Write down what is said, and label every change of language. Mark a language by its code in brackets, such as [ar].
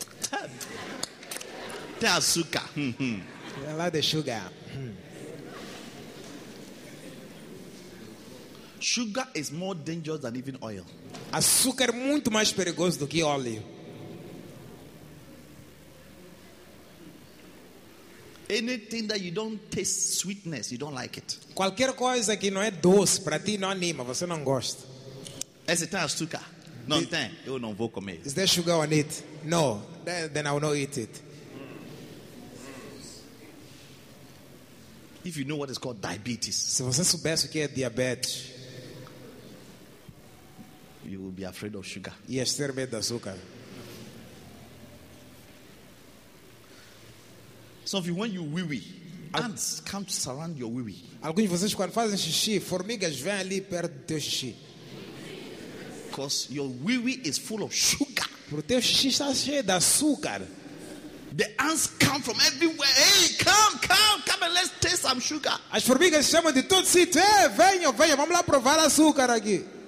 [pt] Até açúcar. É lá de sugar. [en] Sugar is more dangerous than even oil. [pt] Açúcar é muito mais perigoso do que óleo. [en] Anything that you don't taste sweetness, you don't like it. [pt] Qualquer coisa que não é doce, para ti não anima, você não gosta. Esse tem açúcar. Não tem, eu não vou comer. [en] Is there sugar on it? No, then I will not eat it. If you know what is called diabetes, [pt] se você soubesse o que é diabetes, [en] you will be afraid of sugar. [pt] Ias ter medo de açúcar. [en] Some of you, when you wee-wee, ants come to surround your wee-wee. [pt] Alguns de vocês quando fazem xixi, formigas vêm ali perto do teu xixi. [en] Because your wee-wee is full of sugar. [pt] Porque o teu xixi está cheio de açúcar. [en] The ants come from everywhere. Hey, come, come, come and let's taste some sugar. [pt] As formigas chamam de todo sítio. Hey, venham, venham, vamos lá provar açúcar aqui.